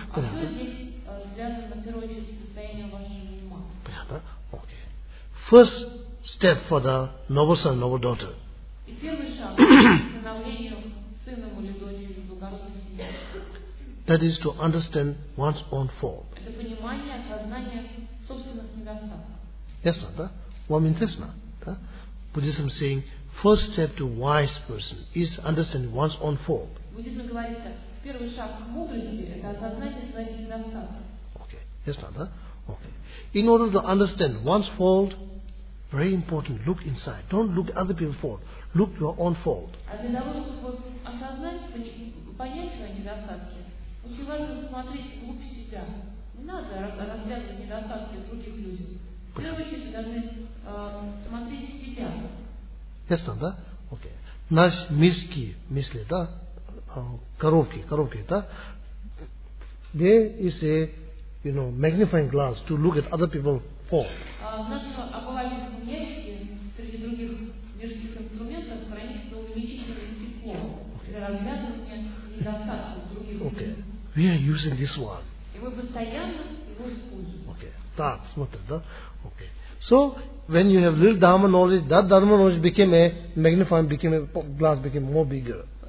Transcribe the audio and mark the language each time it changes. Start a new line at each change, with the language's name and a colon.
Russian: А все здесь связано, на первую очередь, с состоянием вашего ума. Понятно? Окей.
English: First step for the noble son, noble daughter.
Russian: И первый шаг к становлению сыном или дочерью благородной семьи.
English: That is to understand one's own fault.
Russian: Это понимание, осознание собственных недостатков.
English: Yes, sir. One means this, ma'am. Buddhism is saying, first step to wise person is understanding one's own fault.
Russian: Буддизм говорит так: первый шаг к мудрости — это осознание своих недостатков.
English: Okay, yes, brother. Okay. In order to understand one's fault, very important: look inside. Don't look at other people's fault. Look your own fault.
Russian: А для того, чтобы осознать, понять свои недостатки, очень важно смотреть вглубь себя. Не надо разглядывать недостатки других людей. В первую очередь вы должны смотреть себя. Yes, да? Окей. Наши мирские мысли, да? Коробки, да?
English: There is a, you know, magnifying glass to look at other people's fault.
Russian: В нашем обывательском ящике, среди других мирских инструментов, хранится увеличительное стекло для разглядывания недостатков других.
English: Okay. We are using this one.
Russian: И вы постоянно его используете. Окей. Так, смотрите, да? Окей.
English: So, when you have little Dharma knowledge, that Dharma knowledge became a magnifying, became a glass, became more bigger.